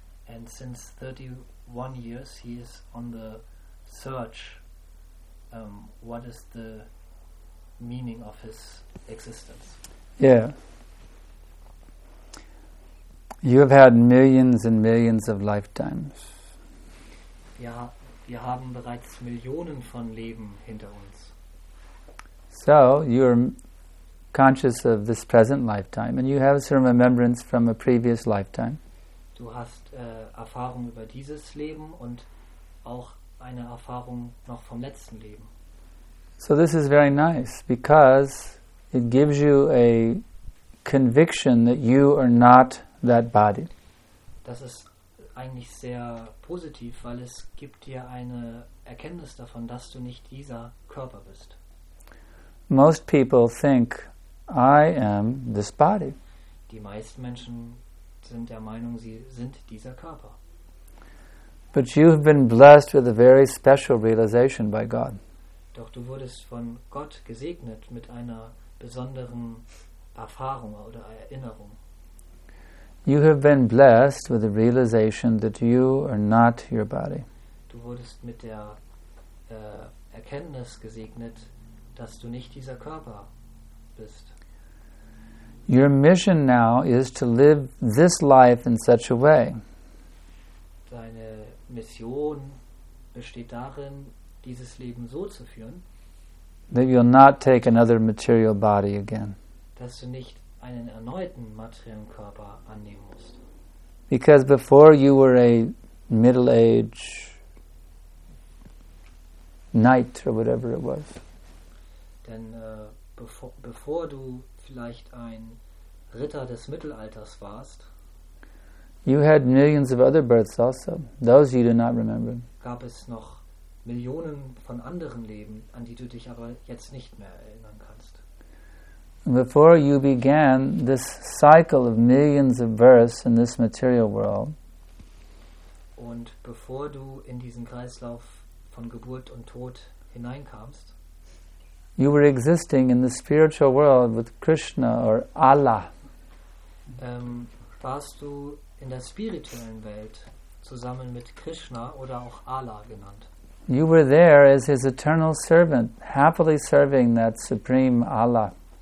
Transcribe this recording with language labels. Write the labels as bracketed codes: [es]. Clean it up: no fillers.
[en] And since 31 years he is on the search, what is the meaning of his existence. Yeah. You have had millions and millions of lifetimes. [de] Ja, wir haben bereits Millionen von Leben hinter uns. [en] So, you are conscious of this present lifetime and you have some remembrance from a previous lifetime. [de] Du hast Erfahrung über dieses Leben und auch eine Erfahrung noch vom letzten Leben. [en] So this is very nice because it gives you a conviction that you are not that body. [de] Das ist eigentlich sehr positiv, weil es gibt dir eine Erkenntnis davon, dass du nicht dieser Körper bist. [en] Most people think I am this body. [de] Die meisten Menschen sind der Meinung, sie sind dieser Körper. [en] But you have been blessed with a very special realization by God. [de] Doch du wurdest von Gott gesegnet mit einer besonderen Erfahrung oder Erinnerung. [en] You have been blessed with the realization that you are not your body. [de] Du wurdest mit der Erkenntnis gesegnet, dass du nicht dieser Körper bist. [en] Your mission now is to live this life in such a way. [de] Deine Mission besteht darin, dieses Leben so zu führen, [en] that you'll not take another material body again. [de] Dass du nicht einen erneuten materiellen Körper annehmen musst. [en] Because before you were a middle-aged knight or whatever it was. [de] Denn bevor du vielleicht ein Ritter des Mittelalters warst, [en] you had millions of other births also. Those you do not remember. [de] Gab es noch Millionen von anderen Leben, an die du dich aber jetzt nicht mehr erinnern kannst. [en] Before you began this cycle of millions of births in this material world, [de] und bevor du in diesen Kreislauf von Geburt und Tod hineinkamst, [en] you were existing in the spiritual world with Krishna or Allah. [de] Warst du in der spirituellen Welt zusammen mit Krishna oder auch Allah genannt? [en] You were there as his eternal servant, happily serving that supreme Allah.